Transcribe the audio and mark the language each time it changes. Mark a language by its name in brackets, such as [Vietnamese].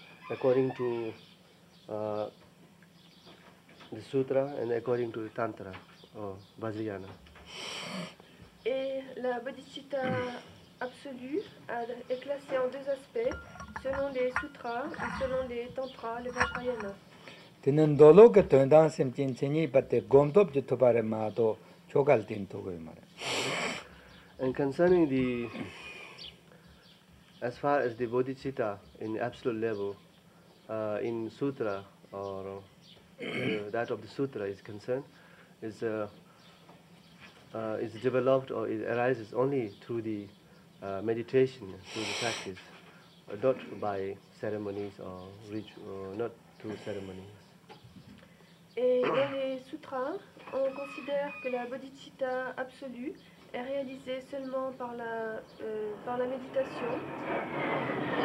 [English] According to the sutra and according to the tantra or Vajrayana. [French] Et la bodhicitta absolue est classée en deux aspects, selon les sutras et selon les tantras, le Vajrayana. Tenendologa tendan semtin tseni bate gomdob de tobare mato chogal tin togoimare. [English] And concerning the, as far as the bodhicitta in the absolute level, in sutra or that of the sutra is concerned, is developed or it arises only through the meditation, through the practice, not by ceremonies or ritual, not through ceremonies. [French] Et dans les sutras, on considère que la bodhicitta absolue est réalisée seulement par la méditation.